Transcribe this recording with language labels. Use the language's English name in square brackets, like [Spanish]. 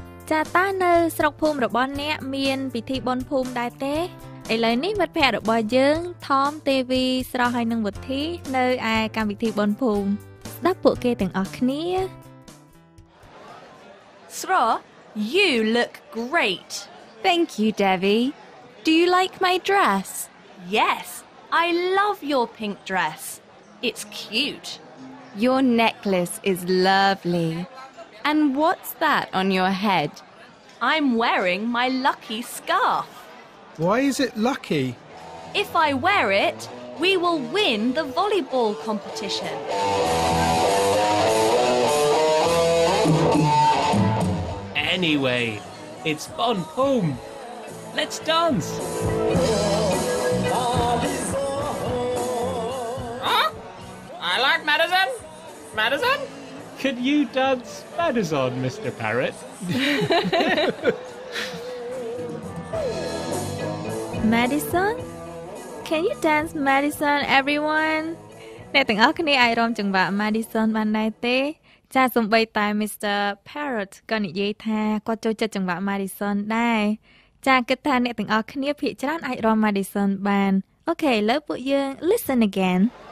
[Khmer] ចាតើនៅស្រុកភូមិរបស់អ្នកមានពិធីបុណ្យភូមិដែរទេឥឡូវនេះមិត្តភ័ក្តិរបស់យើងថមទេវីស្រស់ហើយនឹងវិធីនៅឯកម្មវិធីបុណ្យភូមិដល់ពួកគេទាំងអស់គ្នា [English] ស្រស់ you look great thank you Devi do you like my dress yes I love your pink dress it's cute your necklace is lovely and what's that on your head I'm wearing my lucky scarf why is it lucky if I wear itWe will win the volleyball competition. Anyway, it's Bon Pom. Let's dance. Huh? I like Madison. Madison? Could you dance Madison, Mr. Parrot? Madison? Can you dance Madison everyone? [Khmer] អ្នកទាំងអស់គ្នាអាចរាំចង្វាក់ Madison បានដែរទេ? ចាសំបីតែ Mr. Parrot ក៏និយាយថាគាត់ចូលចិត្តចង្វាក់ Madison ដែរ។ចាគិតថាអ្នកទាំងអស់គ្នាភាគច្រើនអាចរាំ Madison បាន។ Okay, លើពួកយើង [English] listen again.